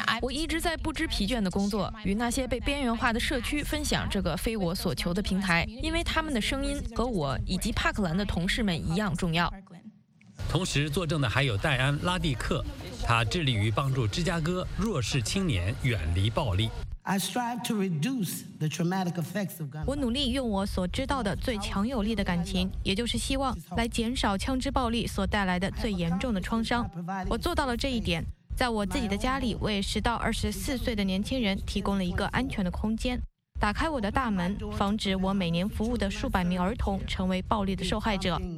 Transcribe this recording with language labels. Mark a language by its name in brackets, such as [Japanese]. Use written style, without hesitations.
[Chinese] 我一直在不知疲倦的工作，与那些被边缘化的社区分享这个非我所求的平台，因为他们的声音和我以及帕克兰的同事们一样重要。同时作证的还有戴安·拉蒂克，他致力于帮助芝加哥弱势青年远离暴力。 [English] I strive to reduce the traumatic effects of gun. [Chinese] 我努力用我所知道的最强有力的感情，也就是希望，来减少枪支暴力所带来的最严重的创伤。我做到了这一点，在我自己的家里为10到24岁的年轻人提供了一个安全的空间，打开我的大门，防止我每年服务的数百名儿童成为暴力的受害者。